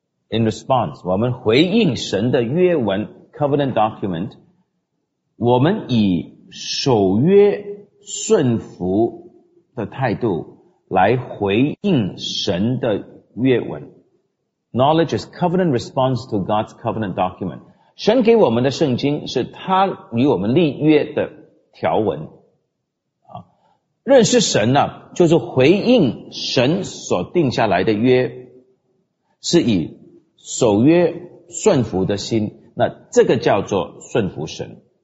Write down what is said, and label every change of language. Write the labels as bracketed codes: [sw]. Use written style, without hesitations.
[en] In response, [zh] 我们回应神的约文 , [en] covenant document, [zh] 我们以守约顺服的态度来回应神的约文。 [en] Knowledge is covenant response to God's covenant document. [zh] 神给我们的圣经是他与我们立约的条文。认识神呢，就是回应神所定下来的约，是以守约顺服的心，那这个叫做顺服神。